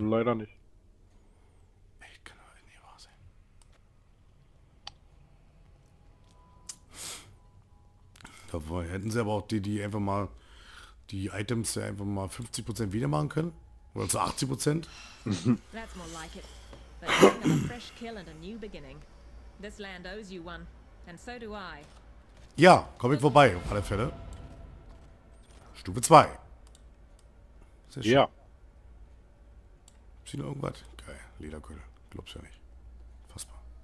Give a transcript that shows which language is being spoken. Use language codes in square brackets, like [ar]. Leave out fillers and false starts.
[de] Leider nicht. Echt, kann aber nicht wahr sein. Da hätten sie aber auch die einfach mal... Die Items ja einfach mal 50% wieder machen können. Oder zu 80%. [en] That's more like it. But you have a fresh kill and a new beginning. This land owes you one. And so do I. [de] Ja, komm ich vorbei, auf alle Fälle. Stufe 2. Sehr schön. Ja. Sieh noch irgendwas? Geil, Lederkeule. Glaub's ja nicht. Fassbar.